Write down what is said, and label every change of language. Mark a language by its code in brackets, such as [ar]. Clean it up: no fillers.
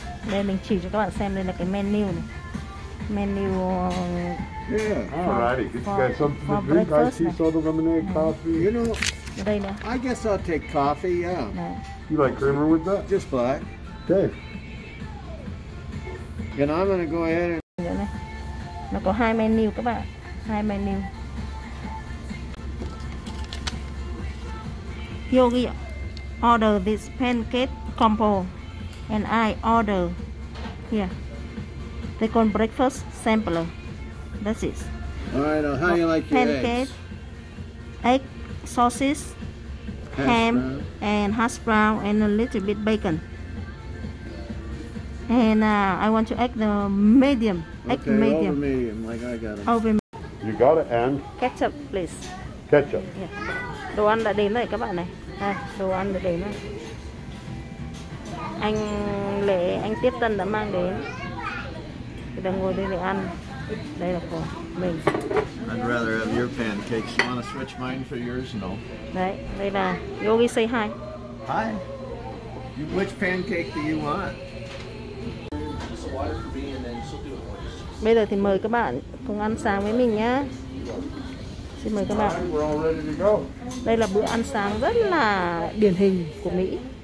[vi] Đây mình chỉ cho các bạn xem, đây là cái menu này. [en] Menu Yeah, alrighty. Get you guys something to drink. I see soda, lemonade, coffee. You know, I guess I'll take coffee, yeah. You like creamer with that? Just black. Okay. And I'm gonna go ahead and... [vi] Nó có hai menu các bạn. Hai menu. [en] Yogi order this pancake combo. And I order here. They call breakfast sampler. That's it. Alright, how do you like your pancake, eggs? Egg, sausage, ham, and hash brown, and a little bit bacon. And I want to egg the medium. Egg okay, medium. Over medium, like I got it. Over medium. You got it, and? Ketchup, please. Ketchup. Yeah. [vi] Đồ ăn đã đến rồi các bạn này. À, đồ ăn đã đến rồi. Anh Lễ, anh Tiếp Tân đã mang đến. Người ta ngồi đây để ăn. Đây là của mình. [en] I'd rather have your pancakes. You want to switch mine for yours? No. [vi] Đấy, đây là Yogi, [en] say hi. Hi. Which pancake do you want? [vi] Bây giờ thì mời các bạn cùng ăn sáng với mình nhá. Xin mời các bạn. [en] We're all ready to go. [vi] Đây là bữa ăn sáng rất là điển hình của Mỹ.